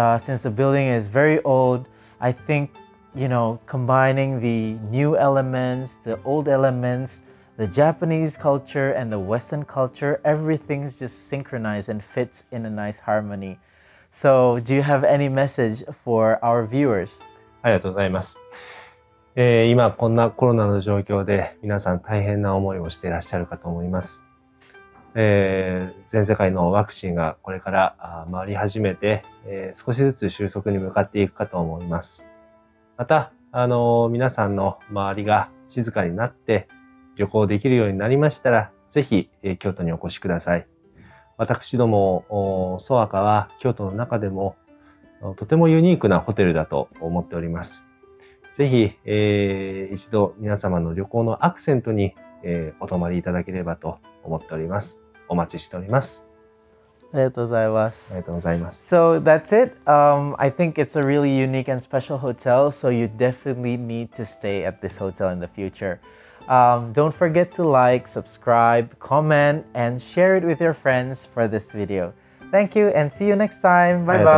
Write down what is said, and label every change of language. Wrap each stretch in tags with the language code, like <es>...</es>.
<en>Since the building is very old, I think, you know, combining the new elements, the old elements, the Japanese culture and the Western culture, everything's just synchronized and fits in a nice harmony. So, do you have any message for our viewers?</en> <ja>ありがとうございます。今こんなコロナの状況で皆さん大変な思いをしていらっしゃるかと思います。全世界のワクチンがこれから回り始めて、少しずつ収束に向かっていくかと思います。また、皆さんの周りが静かになって旅行できるようになりましたら、ぜひ、京都にお越しください。私どもソアカは京都の中でもとてもユニークなホテルだと思っております。ぜひ、一度皆様の旅行のアクセントに、お泊まりいただければと思っております。お待ちしております。ありがとうございます。ありがとうございます。</ja> <en>So that's it. I think it's a really unique and special hotel, so you definitely need to stay at this hotel in the futureDon't forget to like, subscribe, comment, and share it with your friends for this video. Thank you and see you next time. Bye bye.</en>